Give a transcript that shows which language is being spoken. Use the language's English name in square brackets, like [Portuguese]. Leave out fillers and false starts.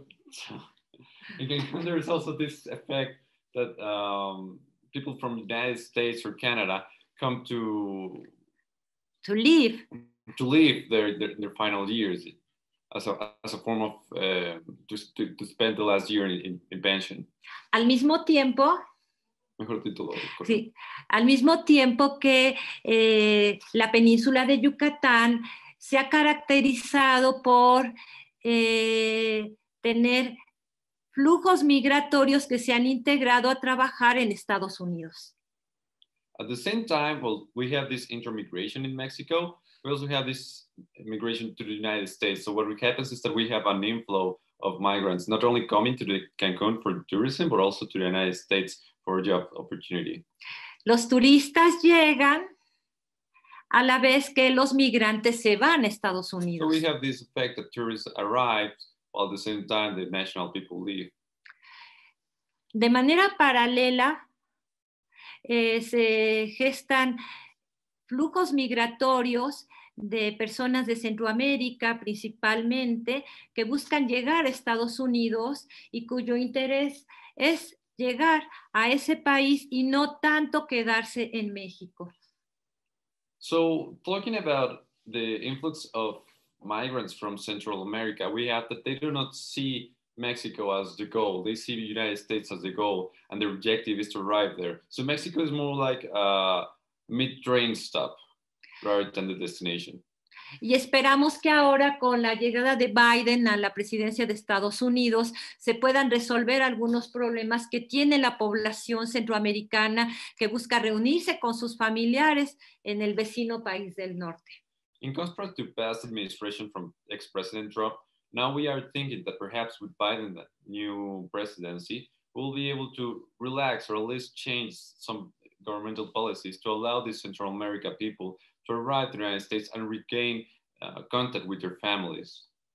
[English] So there is also this effect that people from the United States or Canada come to leave their final years as a form of to spend the last year in pension. [Spanish] Al mismo tiempo. Mejor título. Sí, al mismo tiempo que la península de Yucatán se ha caracterizado por tener flujos migratorios que se han integrado a trabajar en Estados Unidos. [English] At the same time, well, we have this intermigration in Mexico. We also have this migration to the United States. So what happens is that we have an inflow of migrants, not only coming to the Cancun for tourism, but also to the United States for a job opportunity. [Spanish] Los turistas llegan a la vez que los migrantes se van a Estados Unidos. [English] So we have this effect that tourists arrive while at the same time the national people leave. [Spanish] De manera paralela, se gestan flujos migratorios de personas de Centroamérica principalmente que buscan llegar a Estados Unidos y cuyo interés es llegar a ese país y no tanto quedarse en México. [English] So, talking about the influx of migrants from Central America, we have that they do not see Mexico as the goal. They see the United States as the goal, and their objective is to arrive there. So Mexico is more like a mid-train stop rather than the destination. [Spanish] Y esperamos que ahora con la llegada de Biden a la presidencia de Estados Unidos se puedan resolver algunos problemas que tiene la población centroamericana que busca reunirse con sus familiares en el vecino país del norte. [English] In contrast to past administration from ex-president Trump, now we are thinking that perhaps with Biden, the new presidency, we'll be able to relax or at least change some governmental policies to allow these Central America people to arrive to the United States and regain contact with their families.